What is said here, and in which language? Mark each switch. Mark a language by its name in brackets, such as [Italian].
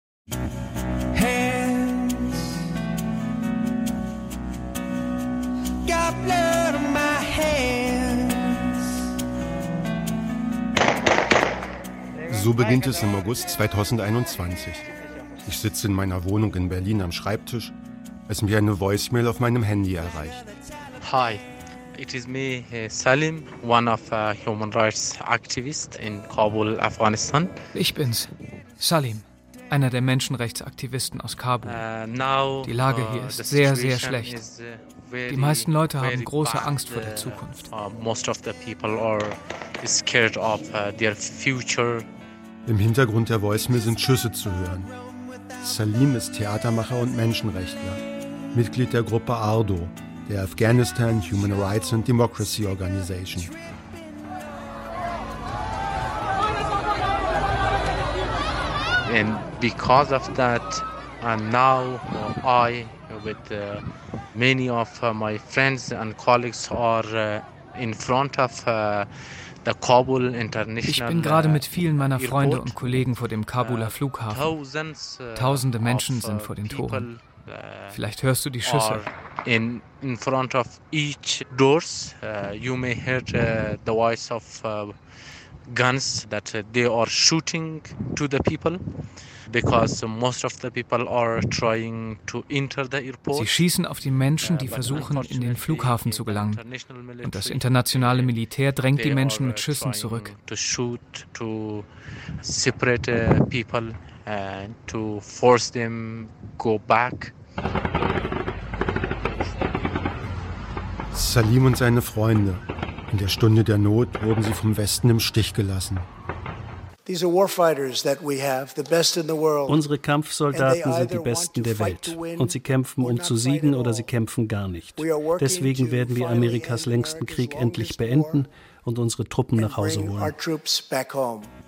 [German] So beginnt es im August 2021. Ich sitze in meiner Wohnung in Berlin am Schreibtisch, als mir eine Voicemail auf meinem Handy erreicht. [English] Hi, it is me, Salim, one of human rights activists in Kabul, Afghanistan. [German] Ich bin's, Salim, einer der Menschenrechtsaktivisten aus Kabul. Die Lage hier ist sehr, sehr schlecht. Die meisten Leute haben große Angst vor der Zukunft. [English] Most of the people are scared of their future. [German] Im Hintergrund der Voicemail sind Schüsse zu hören. Salim ist Theatermacher und Menschenrechtler, Mitglied der Gruppe ARDO, der Afghanistan Human Rights and Democracy Organization. [English] And because of that, and now I, with many of my friends and colleagues, are in front of [German] Ich bin gerade mit vielen meiner Freunde und Kollegen vor dem Kabuler Flughafen. Tausende Menschen sind vor den Toren. Vielleicht hörst du die Schüsse. [English] In front of each doors, you may hear the voice of guns that they are shooting to the people, because most of the people are trying to enter the airport. [German] Sie schießen auf die Menschen, die versuchen, in den Flughafen zu gelangen. Und das internationale Militär drängt die Menschen mit Schüssen zurück. [English] To shoot, to separate people and to force them go back. [German] Salim und seine Freunde. In der Stunde der Not wurden sie vom Westen im Stich gelassen. Unsere Kampfsoldaten sind die Besten der Welt. Und sie kämpfen, um zu siegen, oder sie kämpfen gar nicht. Deswegen werden wir Amerikas längsten Krieg endlich beenden und unsere Truppen nach Hause holen.